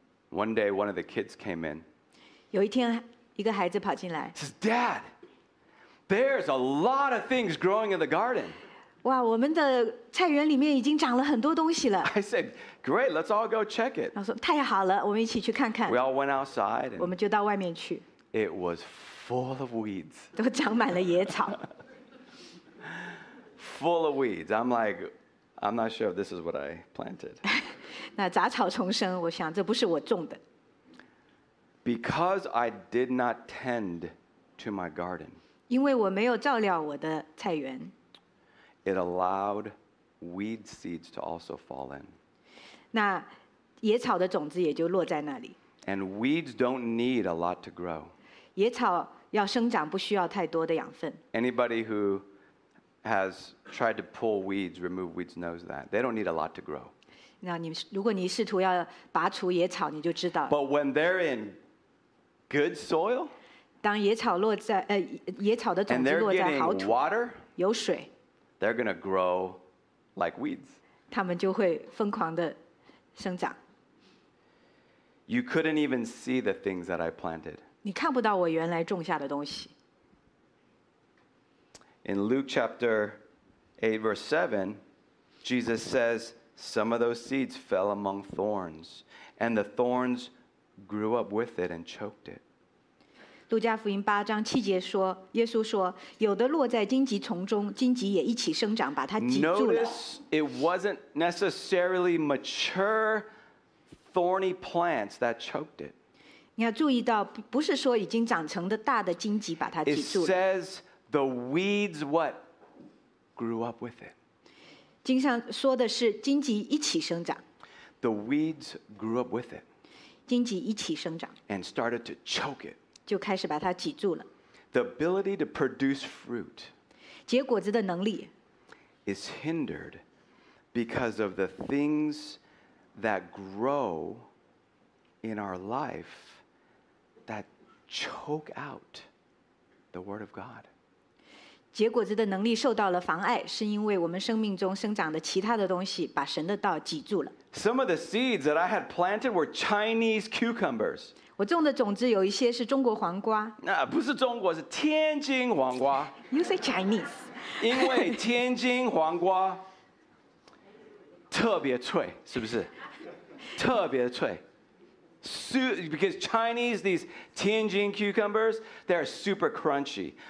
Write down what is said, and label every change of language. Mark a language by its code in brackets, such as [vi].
[en] One day, one of the kids came in. [zh] 有一天,一个孩子跑进来。 [en] Says, Dad! There's a lot of things growing in the garden. [zh] 哇, 我们的菜园里面已经长了很多东西了。 [en] I said, great, let's all go check it. [zh] 他说, 太好了, 我们一起去看看。 [en] We all went outside. [zh] 我们就到外面去。 [en] It was full of weeds. [zh] 都长满了野草。 [en] Full of weeds. I'm like, I'm not sure if this is what I planted. [zh] 那杂草丛生, 我想, 这不是我种的。 [en] Because I did not tend to my garden, it allowed weed seeds to also fall in. [zh] 那野草的种子也就落在那里。 [en] And weeds don't need a lot to grow. [zh] 野草要生长不需要太多的养分。 [en] Anybody who has tried to pull weeds, remove weeds, knows that. They don't need a lot to grow. [zh] 那你如果你试图要拔除野草，你就知道。 [en] But when they're in good soil, [zh] 当野草落在, [en] and they're getting water, [zh] 有水, [en] they're going to grow like weeds. [zh] 他们就会疯狂地生长。 [en] You couldn't even see the things that I planted. [zh] 你看不到我原来种下的东西。 [en] In Luke chapter 8, verse 7, Jesus says, some of those seeds fell among thorns, and the thorns grew up with it and choked it. [zh] 路加福音八章七节说，耶稣说，有的落在荆棘丛中，荆棘也一起生长，把它挤住了。 [en] Notice it wasn't necessarily mature, thorny plants that choked it. [zh] 你要注意到，不是说已经长成的大的荆棘把它挤住了。 [en] It says the weeds what grew up with it. [zh] 经上说的是荆棘一起生长。 [en] The weeds grew up with it. [zh] 荆棘一起生长。 [en] And started to choke it. [zh] 就开始把它挤住了。 [en] The ability to produce fruit, [zh] 结果子的能力 [en] is hindered because of the things that grow in our life that choke out the word of God. [zh] 结果子的能力受到了妨碍，是因为我们生命中生长的其他的东西把神的道挤住了。 [en] Some of the seeds that I had planted were Chinese cucumbers. [zh] 我种的种子有一些是中国黄瓜。那不是中国，是天津黄瓜。 [en] You say Chinese. [zh] 因为天津黄瓜特别脆，是不是？特别脆。 [en] Because Chinese, these Tianjin cucumbers, they're super crunchy.